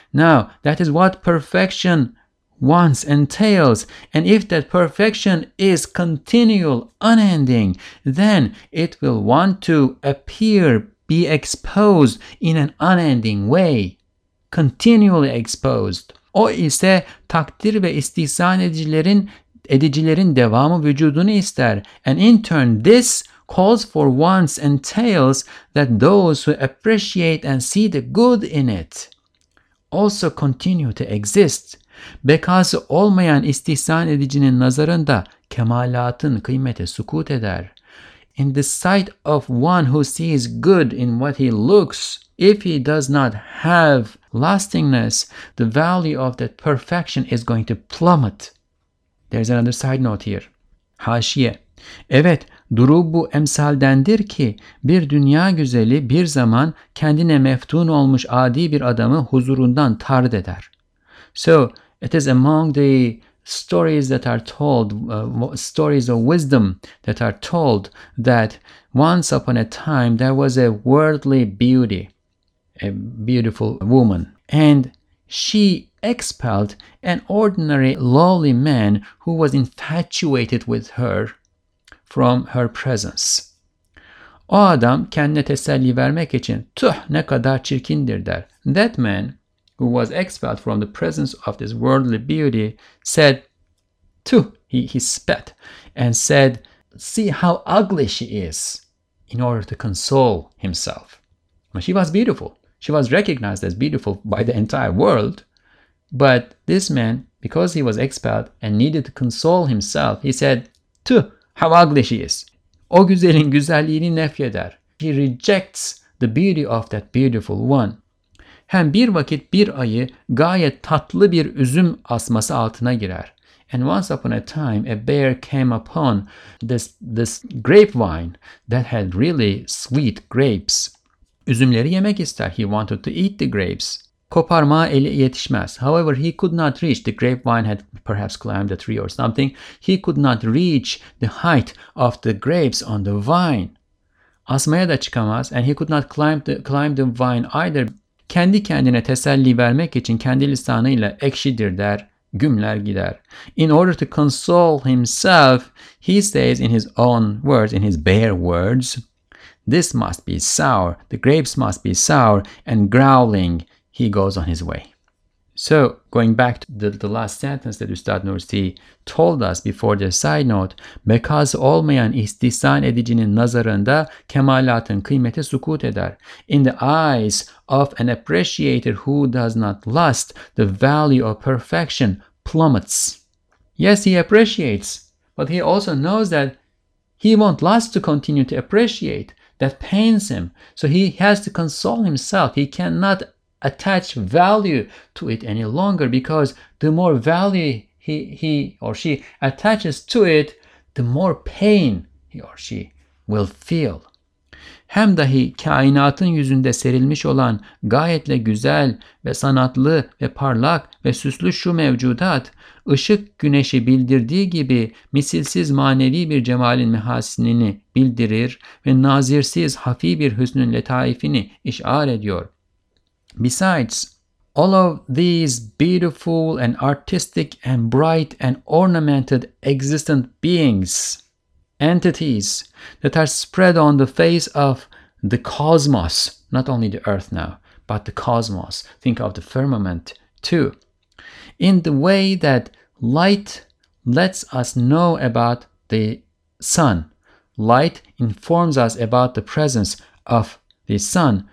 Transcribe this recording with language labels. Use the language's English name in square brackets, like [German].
[English] Now, that is what perfection wants, entails. And if that perfection is continual, unending, then it will want to appear, be exposed in an unending way, continually exposed. [Turkish] O ise takdir ve istihsan edicilerin devamı vücudunu ister. [English] And in turn, this calls for wants, entails that those who appreciate and see the good in it also continue to exist. [Turkish] Bekası olmayan istihsan edicinin nazarında kemalatın kıymeti sukut eder. [English] In the sight of one who sees good in what he looks, if he does not have lastingness, the value of that perfection is going to plummet. There's another side note here. [Turkish] Haşiye. Evet, duru bu emsaldendir ki bir dünya güzeli bir zaman kendine meftun olmuş adi bir adamı huzurundan tard eder. [English] So, it is among the stories that are told, stories of wisdom that are told, that once upon a time there was a worldly beauty, a beautiful woman, and she expelled an ordinary lowly man who was infatuated with her from her presence. [Turkish] O adam kendine teselli vermek için tüh ne kadar çirkindir der. [English] That man, who was expelled from the presence of this worldly beauty, said, "Tu," he spat, and said, "See how ugly she is," in order to console himself. Well, she was beautiful. She was recognized as beautiful by the entire world. But this man, because he was expelled and needed to console himself, he said, "Tu, how ugly she is." [Turkish] O güzelin güzelliğini nefyeder. [English] He rejects the beauty of that beautiful one. [Turkish] Hem bir vakit bir ayı gayet tatlı bir üzüm asması altına girer. [English] And once upon a time, a bear came upon this grapevine that had really sweet grapes. [Turkish] Üzümleri yemek ister. [English] He wanted to eat the grapes. [Turkish] Koparmaya eli yetişmez. [English] However, he could not reach. The grapevine had perhaps climbed a tree or something. He could not reach the height of the grapes on the vine. [Turkish] Asmaya da çıkamaz. [English] And he could not climb the vine either. [Turkish] Kendi kendine teselli vermek için kendi lisanıyla ekşidir der, gümler gider. [English] In order to console himself, he says in his own words, in his bare words, "This must be sour, the grapes must be sour," and growling, he goes on his way. So, going back to the last sentence that Üstad Nursi told us before the side note, [Turkish] "Bekaz olmayan istihsan edicinin nazarında kemalatın kıymeti sukut eder." [English] In the eyes of an appreciator who does not lust, the value of perfection plummets. Yes, he appreciates, but he also knows that he won't last to continue to appreciate. That pains him. So he has to console himself. He cannot attach value to it any longer, because the more value he or she attaches to it, the more pain he or she will feel. [Turkish] Hem dahi kainatın yüzünde serilmiş olan gayetle güzel ve sanatlı ve parlak ve süslü şu mevcudat, ışık güneşi bildirdiği gibi misilsiz manevi bir cemalin mehasinini bildirir ve nazirsiz hafi bir hüsnün letaifini işar ediyor. [English] Besides, all of these beautiful and artistic and bright and ornamented existent beings, entities that are spread on the face of the cosmos, not only the earth now, but the cosmos, think of the firmament too, in the way that light lets us know about the sun, light informs us about the presence of the sun.